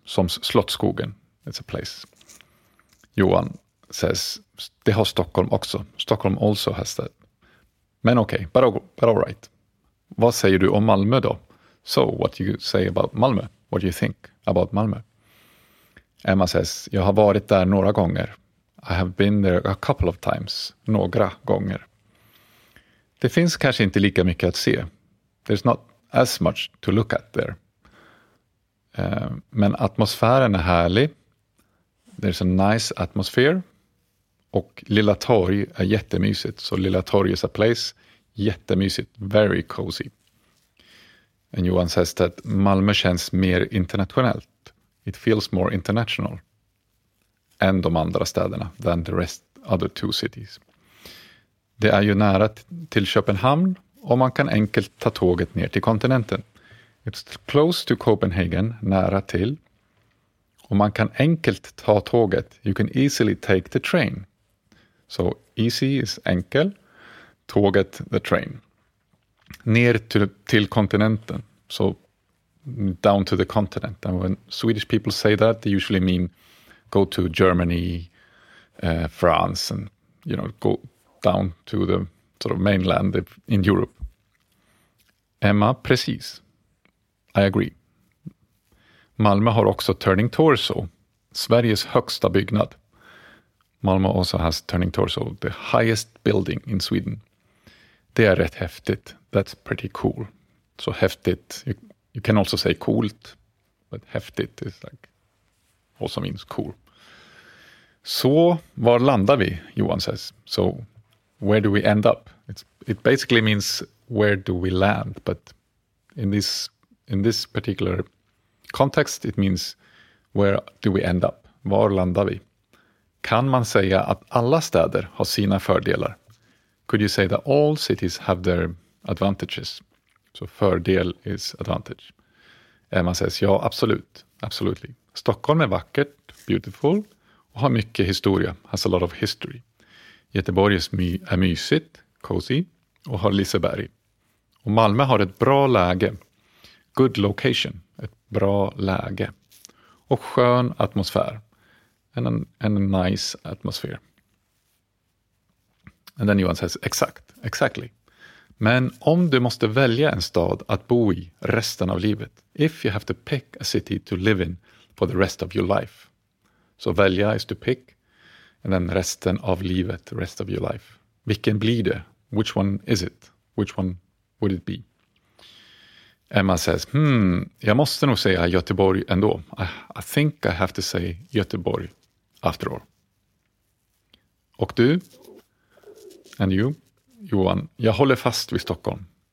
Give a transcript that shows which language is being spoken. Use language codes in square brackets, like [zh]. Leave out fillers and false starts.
[sv] Som Slottsskogen. [en] It's a place. Johan says, [sv] det har Stockholm också. [en] Stockholm also has that. [sv] Men okej, [en] but all right. [sv] Vad säger du om Malmö då? [en] So, what do you say about Malmö? What do you think about Malmö? Emma says, [sv] jag har varit där några gånger. [en] I have been there a couple of times. [sv] Några gånger. Det finns kanske inte lika mycket att se. [en] There's not as much to look at there. [sv] Men atmosfären är härlig. [en] There's a nice atmosphere. [sv] Och Lilla Torg är jättemysigt. [en] Så Lilla Torg is a place. Jättemysigt. Very cozy. And Johan says that [sv] Malmö känns mer internationellt. [en] It feels more international. [sv] Än de andra städerna. [en] Than the rest other two cities. [sv] Det är ju nära till Köpenhamn. Och man kan enkelt ta tåget ner till kontinenten. [en] It's close to Copenhagen. [sv] Nära till. Och man kan enkelt ta tåget. [en] You can easily take the train. So easy is enkel. Tåget, the train. [sv] Ner till kontinenten. [en] So down to the continent. And when Swedish people say that, they usually mean go to Germany, France, and you know, go down to the sort of mainland in Europe. [sv] Emma, precis. [en] I agree. [sv] Malmö har också Turning Torso, Sveriges högsta byggnad. [en] Malmö also has Turning Torso, the highest building in Sweden. [sv] Det är rätt häftigt. [en] That's pretty cool. [sv] Så häftigt. [en] You can also say coolt, but häftigt is like also means cool. [sv] Så var landar vi, [en] Johan says. So where do we end up? It basically means where do we land, but in this particular context it means where do we end up? [sv] Var landar vi? Kan man säga att alla städer har sina fördelar? [en] Could you say that all cities have their advantages? So fördel is advantage. Emma says, [sv] ja, absolut. [en] Absolutely. [sv] Stockholm är vackert, beautiful och har mycket historia. [en] Has a lot of history. [sv] Göteborg är mysigt, [en] cozy [sv] och har Liseberg. Och Malmö har ett bra läge. [en] Good location. [sv] Ett bra läge. Och skön atmosfär. [en] And a nice atmosphere. And then Johan says, exactly. [sv] Men om du måste välja en stad att bo i resten av livet. [en] If you have to pick a city to live in for the rest of your life. Så välja is to pick. And then resten av livet, rest of your life. [sv] Vilken blir det? [en] Which one is it? Which one would it be? Emma says, [sv] jag måste nog säga Göteborg ändå. [en] I think I have to say Göteborg after all. [sv] Och du? [en] And you, [sv] Johan, jag håller fast vid Stockholm.